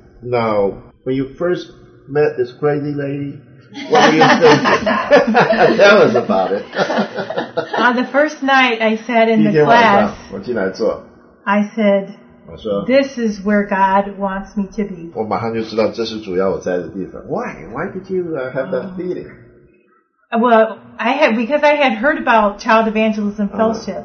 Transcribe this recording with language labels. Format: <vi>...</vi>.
<en>Now, when you first met this crazy lady, what were you thinking? Tell us about it. On the first night I sat in the class,</en> <zh>我进来坐,</zh> <en>I said,</en> <zh>我说,</zh> <en>this is where God wants me to be.</en> <zh>我马上就知道这是主要我在的地方。</zh> <en>Why? Why did you have that feeling? Because I had heard about Child Evangelism Fellowship.</en>